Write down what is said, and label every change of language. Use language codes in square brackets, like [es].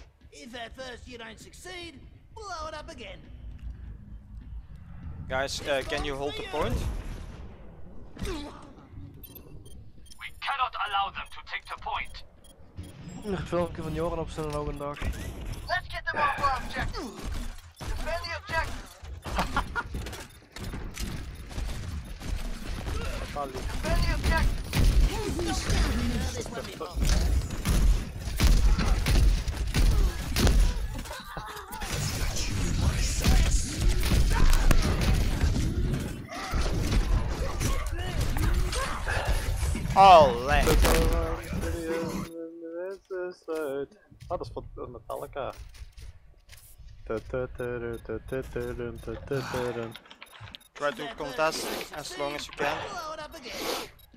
[en] If at first you don't succeed, blow it up again. Guys, can you hold the point? We cannot allow them to take the point. [nl] Een filmpje van Joran op zijn ogen dag. [en] Let's get them off our objective! Defend the objective! Defend the objective! [nl] Ah, dat is voor Metallica. [en] Try to contest as long as you can.